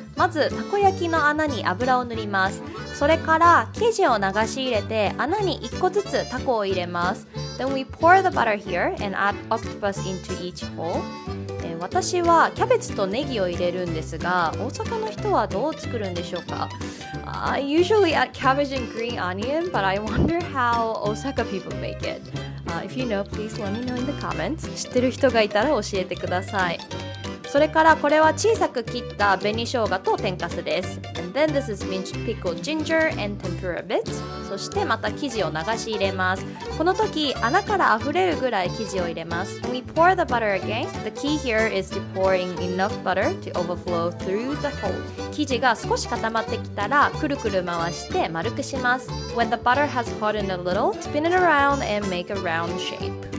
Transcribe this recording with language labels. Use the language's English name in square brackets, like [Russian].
[Japanese] まず、たこ焼きの穴に油を塗ります。それから、生地を流し入れて、穴に1個ずつたこを入れます。 [English] Then we pour the butter here and add octopus into each hole. [Japanese] 私はキャベツとネギを入れるんですが、大阪の人はどう作るんでしょうか？ [English] I usually add cabbage and green onion, but I wonder how Osaka people make it. If you know, please let me know in the comments. [Japanese] 知ってる人がいたら教えてください。それからこれは小さく切った紅生姜と天かすです。 [English] And then this is minced pickled ginger and tempura bits. [Japanese] そしてまた生地を流し入れます。この時穴から溢れるぐらい生地を入れます。 [English] We pour the butter again. The key here is to pour in enough butter to overflow through the hole. [Japanese] 生地が少し固まってきたらくるくる回して丸くします。 [English] When the butter has hardened a little, spin it around and make a round shape.